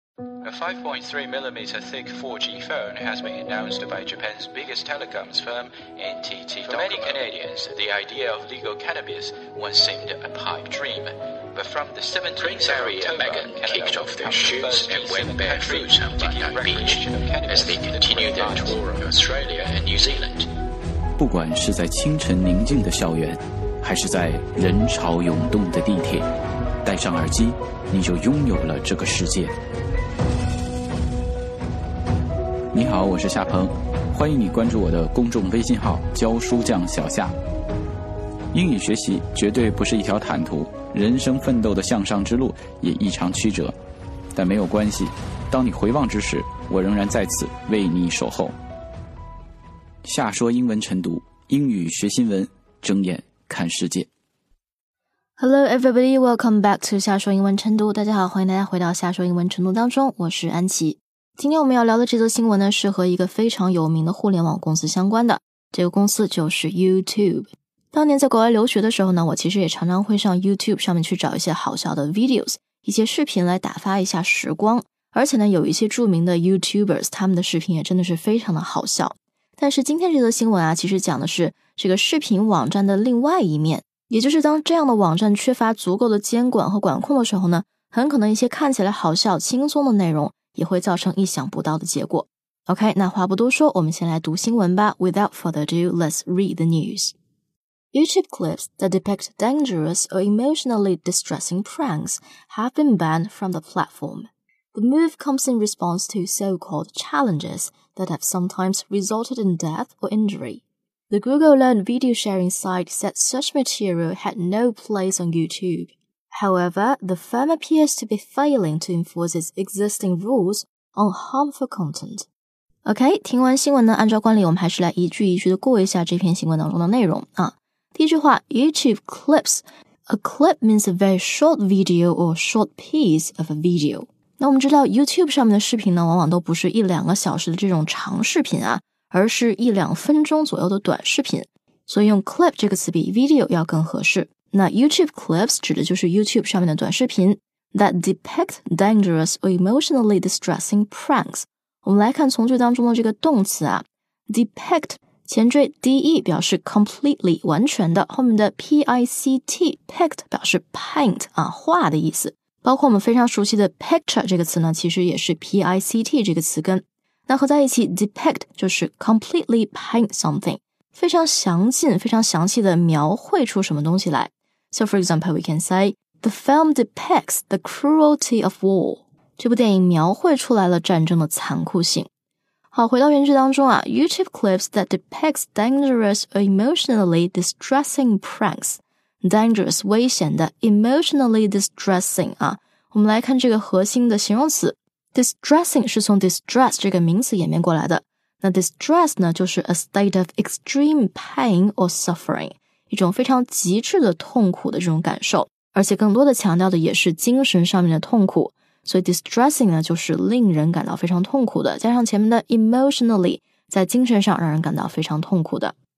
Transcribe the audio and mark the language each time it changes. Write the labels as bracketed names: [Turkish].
[English] A 5.3mm thick 4G phone has been announced by Japan's biggest telecoms firm, NTT Docomo. For many Canadians, the idea of legal cannabis once seemed a pipe dream. But from the 17th of October, Megan kicked off their shoots and went barefoot on Bondi Beach as they continued their tour of Australia and New Zealand. [Chinese] 不管是在清晨宁静的校园，还是在人潮涌动的地铁，戴上耳机，你就拥有了这个世界。你好，我是夏鹏，欢迎你关注我的公众微信号教书匠小夏。英语学习绝对不是一条坦途，人生奋斗的向上之路也异常曲折，但没有关系，当你回望之时，我仍然在此为你守候。夏说英文晨读，英语学新闻，睁眼看世界。 [English] Hello everybody, welcome back to 夏说英文晨读。 [Chinese] 大家好，欢迎大家回到夏说英文晨读当中，我是安琪。今天我们要聊的这则新闻呢，是和一个非常有名的互联网公司相关的，这个公司就是 YouTube。当年在国外留学的时候呢，我其实也常常会上 YouTube 上面去找一些好笑的 videos， 一些视频来打发一下时光。而且呢，有一些著名的 YouTubers， 他们的视频也真的是非常的好笑。但是今天这则新闻啊，其实讲的是这个视频网站的另外一面，也就是当这样的网站缺乏足够的监管和管控的时候呢，很可能一些看起来好笑轻松的内容也会造成意想不到的结果。 OK， 那话不多说，我们先来读新闻吧。 [English] Without further ado, let's read the news. YouTube clips that depict dangerous or emotionally distressing pranks have been banned from the platform. The move comes in response to so-called challenges that have sometimes resulted in death or injury. The Google Learn video sharing site said such material had no place on YouTube. However, the firm appears to be failing to enforce its existing rules on harmful content. [Chinese] OK, 听完新闻呢，按照惯例我们还是来一句一句的过一下这篇新闻当中的内容啊。第一句话， [English] YouTube clips. A clip means a very short video or short piece of a video. [Chinese] 那我们知道 YouTube 上面的视频呢，往往都不是一两个小时的这种长视频啊，而是一两分钟左右的短视频，所以用 clip 这个词比 video 要更合适。 [English] 那 YouTube clips [Chinese] 指的就是 YouTube 上面的短视频 [English] that depict dangerous or emotionally distressing pranks. [Chinese] 我们来看从句当中的这个动词啊， depict 前缀 de 表示 completely 完全的，后面的 pict pict 表示 paint 啊画的意思，包括我们非常熟悉的 picture 这个词呢，其实也是 pict 这个词根，那合在一起 depict 就是 [English] completely paint something。 [Chinese] 非常详尽，非常详细的描绘出什么东西来。 [English] So for example, we can say, the film depicts the cruelty of war. [Chinese] 这部电影描绘出来了战争的残酷性。好，回到原句当中啊， [English] YouTube clips that depicts dangerous or emotionally distressing pranks. Dangerous, 危险的， emotionally distressing 啊。 [Chinese] 我们来看这个核心的形容词。Distressing 是从 distress 这个名词演变过来的。那 distress 呢，就是 [English] a state of extreme pain or suffering， [Chinese] 一种非常极致的痛苦的这种感受，而且更多的强调的也是精神上面的痛苦，所以 distressing 呢，就是令人感到非常痛苦的，加上前面的 emotionally， 在精神上让人感到非常痛苦的。